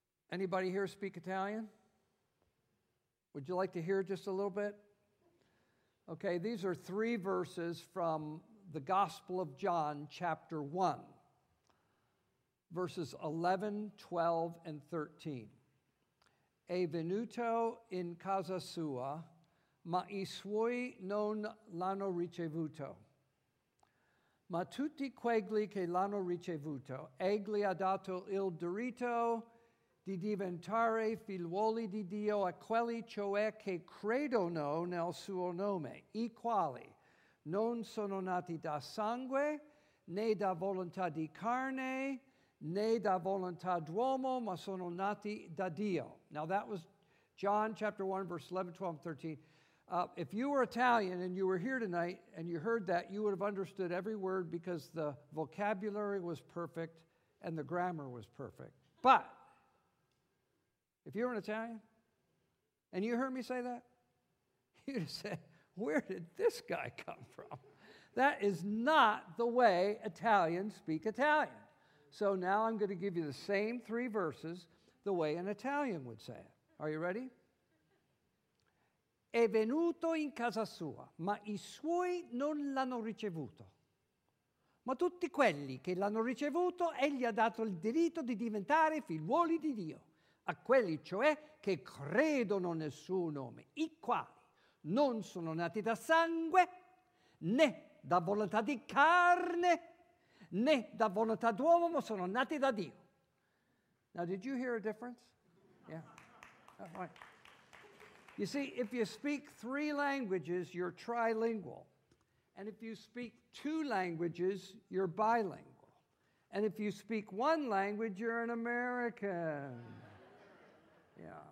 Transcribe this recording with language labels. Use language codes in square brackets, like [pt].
[en] Anybody here speak Italian? Would you like to hear just a little bit? Okay, these are 3 verses from the Gospel of John, chapter 1, verses 11, 12, and 13. [it] E venuto in casa sua, ma i suoi non l'hanno ricevuto. Ma tutti quelli che l'hanno ricevuto, egli ha dato il diritto di diventare figlioli di Dio a quelli cioè che credono nel suo nome, i quali non sono nati da sangue, né da volontà di carne, né da volontà d'uomo, ma sono nati da Dio. [en] Now that was John chapter 1, verse 11, 12, 13. If you were Italian and you were here tonight and you heard that, you would have understood every word because the vocabulary was perfect and the grammar was perfect. But if you were an Italian and you heard me say that, you'd have said, where did this guy come from? That is not the way Italians speak Italian. So now I'm going to give you the same 3 verses the way an Italian would say it. Are you ready? [it] È venuto in casa sua, ma i suoi non l'hanno ricevuto. Ma tutti quelli che l'hanno ricevuto, egli ha dato il diritto di diventare figliuoli di Dio. A quelli, cioè, che credono nel suo nome, i quali non sono nati da sangue, né da volontà di carne, né da volontà d'uomo, ma sono nati da Dio. [en] Now, did you hear a difference? Yeah. All right. You see, if you speak three languages, you're trilingual. And if you speak two languages, you're bilingual. And if you speak one language, you're an American. Yeah.